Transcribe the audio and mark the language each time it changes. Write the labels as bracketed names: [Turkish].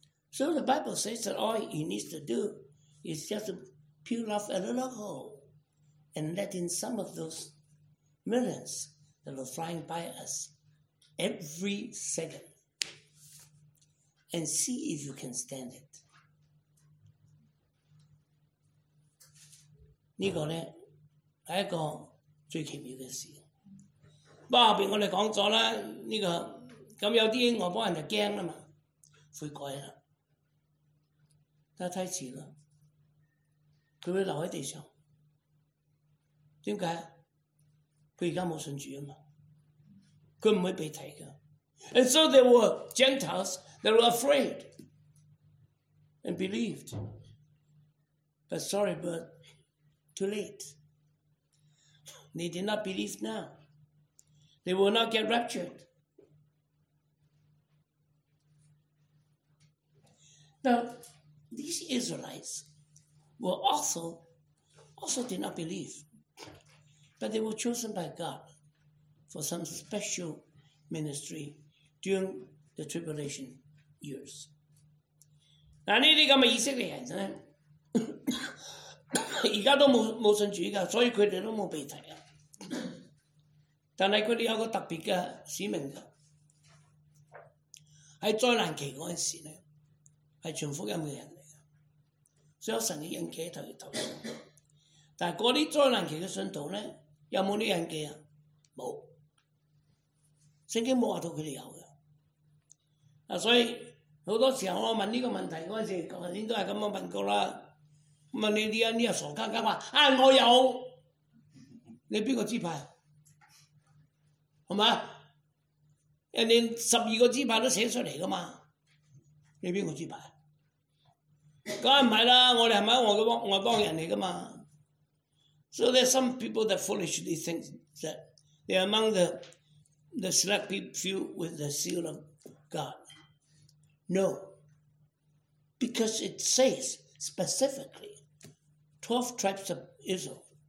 [English] So the Bible says that all he needs to do is just peel off a little hole and let in some of those millions that are flying by us every second and see if you can stand it. [Chinese] 这个呢是一个最奇妙的事。不過後面我們講了這個，那有些外邦人就害怕了，悔改了，但太遲了，他會留在地上。為什麼？他現在沒信主嘛，他不會被提的。 [English] And so there were Gentiles that were afraid and believed. But sorry, but too late. They did not believe now. They will not get raptured. Now, these Israelites were also did not believe, but they were chosen by God for some special ministry during the tribulation years. Now, these kind of Israelites, now, they are not a believer, so they are not a believer. [Chinese] 但是他们有个特别的使命的，在灾难期的时候是全福音的人的，所以有神的印记在他头上。但是那些灾难期的信徒呢，有没有这印记？没有，圣经没有说他们有的。所以很多时候我问这个问题的时候，昨天都是这样问过了，问你这些人傻家家说、啊、我有，你哪个支派？是吗？人家十二个支派都写出来的嘛，你哪个支派？当然不是啦，我们是不是外邦人来的嘛。 [English] So there are some people that foolishly think that they are among the select few with the seal of God. No, because it says specifically 12 tribes of Israel.